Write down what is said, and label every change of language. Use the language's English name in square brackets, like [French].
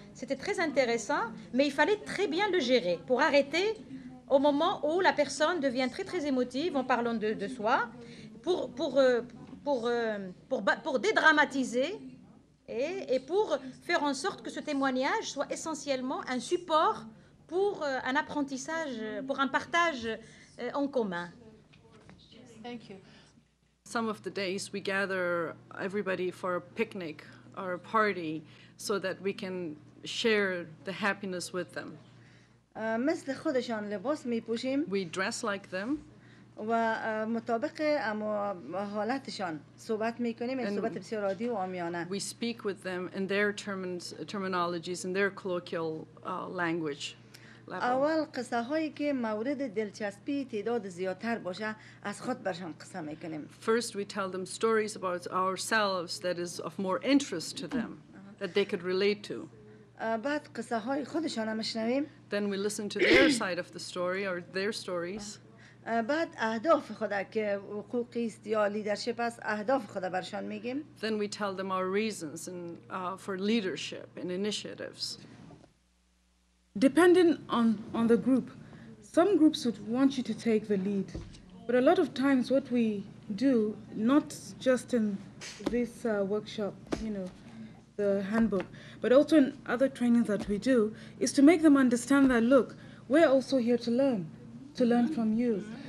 [French] C'était très intéressant, mais il fallait très bien le gérer pour arrêter au moment où la personne devient très très émotive en parlant de soi, pour dédramatiser. Et pour faire en sorte que ce témoignage soit essentiellement un support pour un apprentissage, pour un partage en commun. [English] Thank you. Some of the days we gather everybody for a picnic or a party so that we can share the happiness with them. [Persian] مثل خودشان لباس می پوشیم. [English] We dress like them. [Persian] و مطابق اما حالتشان صحبت میکنیم صحبت بسیار عادی و عامیانه. [English] We speak with them in their terminologies, in their colloquial language level. [Persian] اول قصه هایی که مورد دلچسپی تعداد زیادتر باشه از خود برشان قصه میکنیم. [English] First we tell them stories about ourselves that is of more interest to them, that they could relate to. [Persian] بعد قصه های خودشان هم شنویم. [English] Then we listen to their side of the story or their stories. [Persian] بعد اهداف خود که حقوقی است یا لیدرشپ است اهداف خود برشان میگیم. [English] Then we tell them our reasons and for leadership and initiatives. Depending on the group, some groups would want you to take the lead, but a lot of times what we do, not just in this workshop, you know, the handbook, but also in other trainings that we do, is to make them understand that, look, we're also here to learn. To learn from you.